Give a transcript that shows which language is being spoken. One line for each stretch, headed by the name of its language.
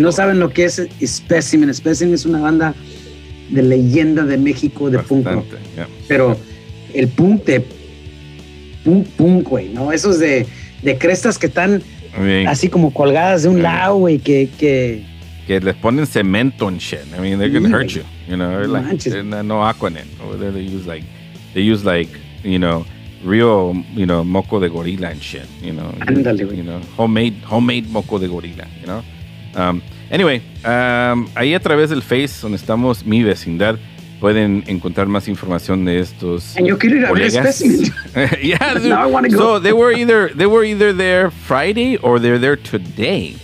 Spanish: no saben lo que es Specimen es una banda de leyenda de México de bastante, punk.
English: Yeah.
Spanish: Pero el punk de. Punk, güey, ¿no? Esos de crestas que están. Bien. Así como colgadas de un lado, güey, que les ponen cemento en
English: shit. I mean, they're gonna hurt you, you know. They're like, no Aquanet. They use like, you know, real, you know, moco de gorila and shit, you know.
Spanish: Ándale,
English: you know, homemade moco de gorila, you know.
Spanish: Anyway, ahí a través del Face, donde estamos, mi vecindad, pueden encontrar más información de estos.
English: And you
Spanish: quiero ir a ver Specimen.
English: Yeah, dude. Now I want to go. So they were either there Friday or they're there today.